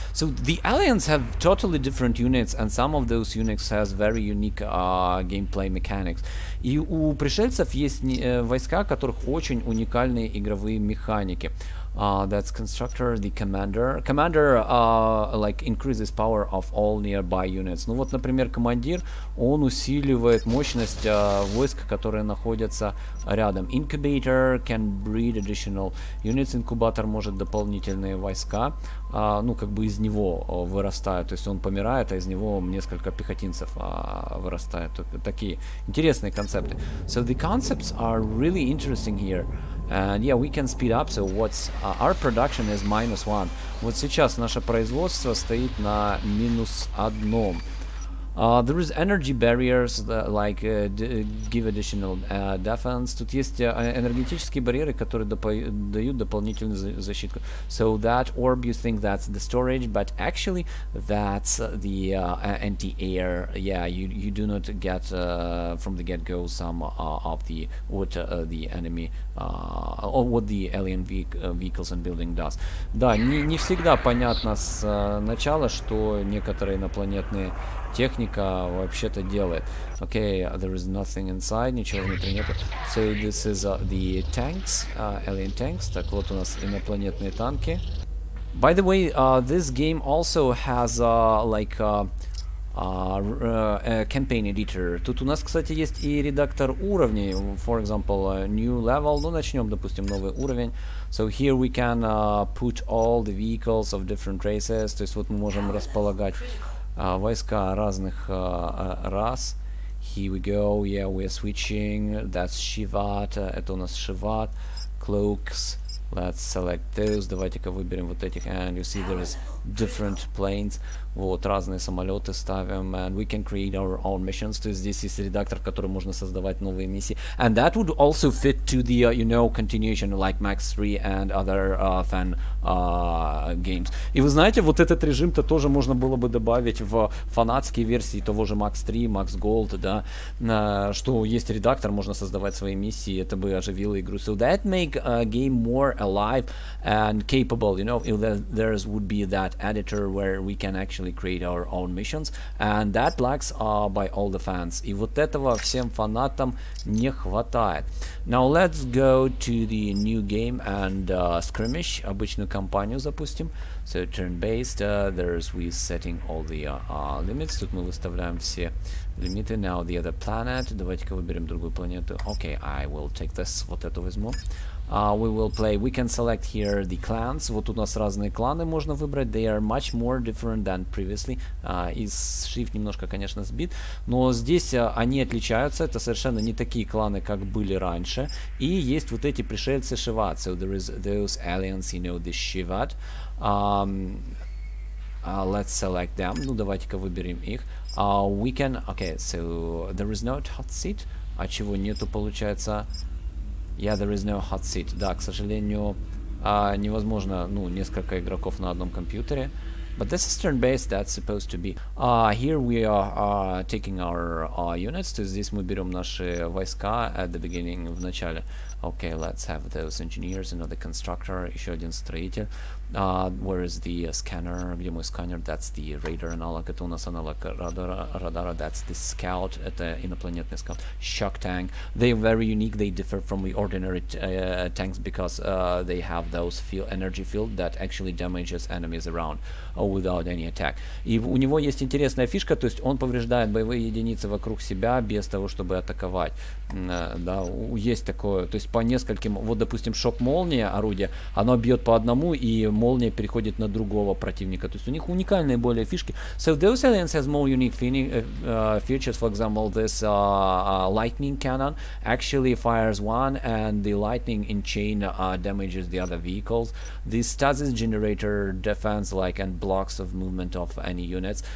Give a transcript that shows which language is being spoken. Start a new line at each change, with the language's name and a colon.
English: So the Alliance have totally different units, and some of those units has very unique gameplay mechanics.
Russian: И у пришельцев есть войска, у которых очень уникальные игровые механики.
English: That's constructor, the commander. Commander like increases power of all nearby units.
Russian: Ну вот, например, командир, он усиливает мощность войск, которые находятся рядом.
English: Incubator can breed additional units.
Russian: Инкубатор может дополнительные войска. Ну, как бы из него вырастают. То есть он помирает, а из него несколько пехотинцев вырастают. Такие интересные концепты.
English: So the concepts are really interesting here. And yeah, we can speed up. So what's our production is minus one.
Russian: Вот сейчас наше производство стоит на минус одном.
English: There is energy barriers that, like give additional defense.
Russian: Тут есть энергетические барьеры, которые дают дополнительную защиту.
English: So that orb, you think that's the storage, but actually that's the anti-air. Yeah, you do not get from the get-go some of the what the enemy or what the alien vehicles and building does.
Russian: Да, не всегда понятно с начала, что некоторые инопланетные техника вообще-то делает.
English: Okay, there is nothing inside,
Russian: ничего внутри нет.
English: So this is the tanks, alien tanks.
Russian: Так вот у нас инопланетные танки.
English: By the way, this game also has campaign editor.
Russian: Тут у нас, кстати, есть и редактор уровней.
English: For example, new level.
Russian: Ну, начнем, допустим, новый уровень.
English: So here we can put all the vehicles of different races.
Russian: То есть вот мы можем располагать войска разных рас.
English: Here we go. Yeah, we're switching. That's Shivat.
Russian: Это у нас
English: Shivat. Cloaks. Let's select those.
Russian: Давайте-ка выберем вот этих.
English: And you see there's different planes.
Russian: Вот, разные самолеты ставим.
English: And we can create our own missions.
Russian: То есть здесь есть редактор, в котором можно создавать новые миссии.
English: And that would also fit to the, you know, continuation like Max 3 and other fan games.
Russian: И вы знаете, вот этот режим-то тоже можно было бы добавить в фанатские версии того же Max 3, Max Gold, да, что есть редактор, можно создавать свои миссии, это бы оживило игру.
English: So that make a game more alive and capable, you know, if there would be that editor where we can actually create our own missions, and that lacks by all the fans.
Russian: И вот этого всем фанатам не хватает.
English: Now let's go to the new game and skirmish,
Russian: обычную кампанию запустим.
English: So turn-based, there's we setting all the limits.
Russian: Тут мы выставляем все лимиты.
English: Now the other planet,
Russian: давайте-ка выберем другую планету.
English: Okay, I will take this,
Russian: вот эту возьму.
English: We will play. We can select here the clans.
Russian: Вот тут у нас разные кланы можно выбрать.
English: They are much more different than previously.
Russian: И shift немножко, конечно, сбит. Но здесь они отличаются. Это совершенно не такие кланы, как были раньше. И есть вот эти пришельцы Шиват.
English: So there is those aliens, you know, the Shivat. Let's select them.
Russian: Ну, давайте-ка выберем их.
English: We can... Okay, so there is no hot seat.
Russian: А чего нету, получается...
English: Yeah, there is no hot seat.
Russian: Да, к сожалению, невозможно, ну, несколько игроков на одном компьютере.
English: But this is turn-based, that's supposed to be. Here we are taking our units.
Russian: То есть здесь мы берем наши войска
English: at the beginning,
Russian: в начале.
English: Okay, let's have those engineers, another constructor,
Russian: еще один строитель.
English: Where is the scanner?
Russian: Где мой сканер?
English: That's the radar analog.
Russian: Это у нас аналог радара.
English: That's the scout.
Russian: Это инопланетный скаут.
English: Shock tank. They are very unique. They differ from the ordinary tanks because they have those energy field that actually damages enemies around without any attack.
Russian: И у него есть интересная фишка, то есть он повреждает боевые единицы вокруг себя без того, чтобы атаковать. Да, есть такое, то есть по нескольким, вот допустим шок-молния, орудие, оно бьет по одному и молния переходит на другого противника, то есть у них уникальные более фишки.
English: So those aliens has more unique features, for example, this lightning cannon actually fires one and the lightning in chain damages the other vehicles. The stasis generator defends like and blocks of movement of any units.